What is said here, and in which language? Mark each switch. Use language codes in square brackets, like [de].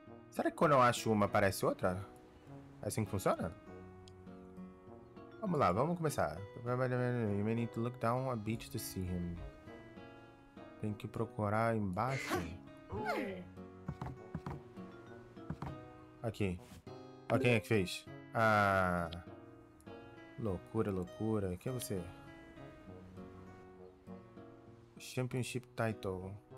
[pt] Será que quando eu acho uma, aparece outra? É assim que funciona? Vamos lá, vamos começar. [en] You may need to look down a beach to see him. [pt] Tem que procurar embaixo. Aqui. Olha quem é que fez. Ah. Loucura, loucura. Quem é você? [en] Championship title.